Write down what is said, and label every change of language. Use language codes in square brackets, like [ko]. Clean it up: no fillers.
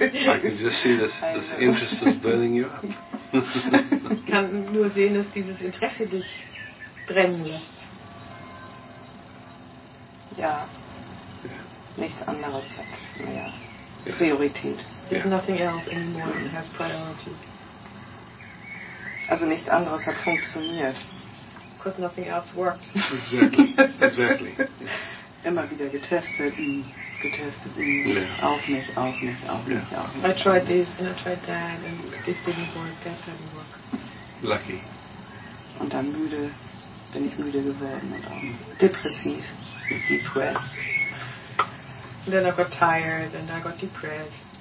[en] I can just see this interest is burning you up. [de] Ich kann nur sehen, dass dieses Interesse dich brennen lässt. Ja. Nichts anderes hat mehr Priorität. [en] There's nothing else anymore that has priority. [de] Also nichts anderes hat funktioniert. [en] Because nothing else worked. Exactly. [de] Immer wieder getestet. Yeah. Auch nicht. [en] I tried this and I tried that and this didn't work, that didn't work. Lucky. [de] Und dann bin ich müde geworden und auch depressiv. [en] Depressed. And then I got tired and I got depressed.